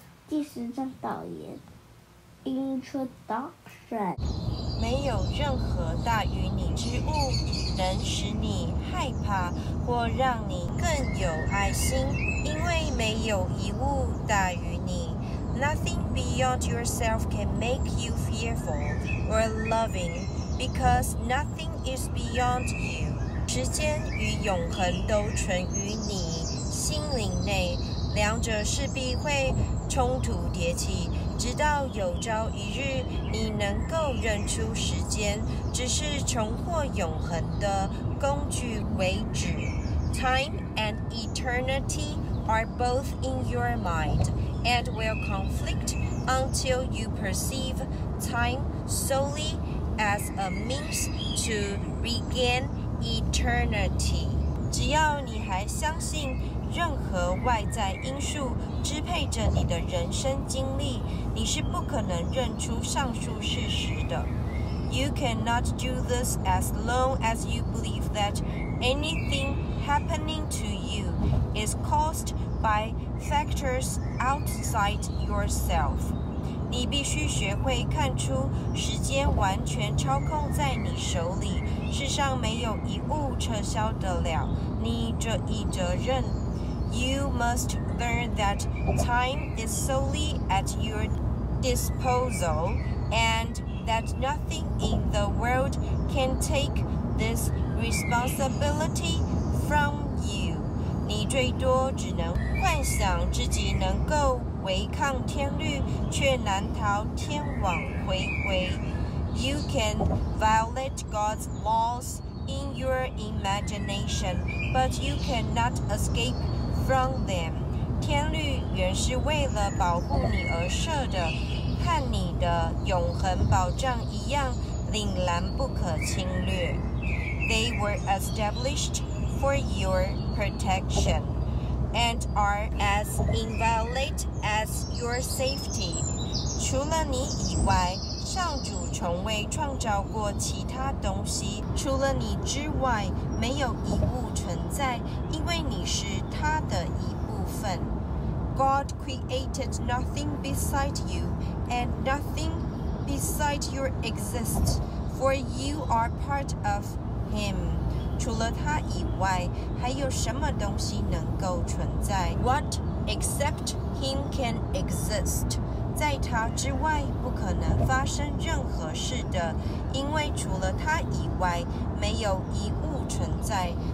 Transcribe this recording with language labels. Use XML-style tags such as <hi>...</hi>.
<zh>第十章导言。Introduction. 没有任何大于你之物能使你害怕或让你更有爱心，因为没有一物大于你。</zh> <en>Nothing beyond yourself can make you fearful or loving, because nothing is beyond you.</en> <zh>时间与永恒都存于你心灵内，两者势必会冲突迭起，直到有朝一日你能够认出时间只是重获永恒的工具为止。</zh> <en>Time and eternity are both in your mind and will conflict until you perceive time solely as a means to regain eternity.</en> <zh>只要你还相信任何外在因素支配着你的人生经历，你是不可能认出上述事实的。</zh> <en>You cannot do this as long as you believe that anything happening to you is caused by factors outside yourself.</en> <zh>你必须学会看出时间完全操控在你手里，世上没有一物撤销得了你这一责任。</zh> <en>You must learn that time is solely at your disposal and that nothing in the world can take this responsibility from you.</en> <zh>你最多只能幻想自己能够违抗天律，却难逃天网恢恢。</zh> <en>You can violate God's laws in your imagination, but you cannot escape from them.</en> <zh>天律原是为了保护你而设的，和你的永恒保障一样，凛然不可侵略。</zh> <en>They were established for your protection and are as inviolate as your safety.</en> <zh>除了你以外，上主从未创造过其他东西，除了你之外，没有一物存在，因为你是他的一部分。</zh> <en>God created nothing beside you and nothing beside your existence, for you are part of Him.</en> <zh>除了他以外，还有什么东西能够存在？</zh> <en>What except Him can exist?</en> <zh>在他之外不可能发生任何事的，因为除了他以外没有一物存在。</zh>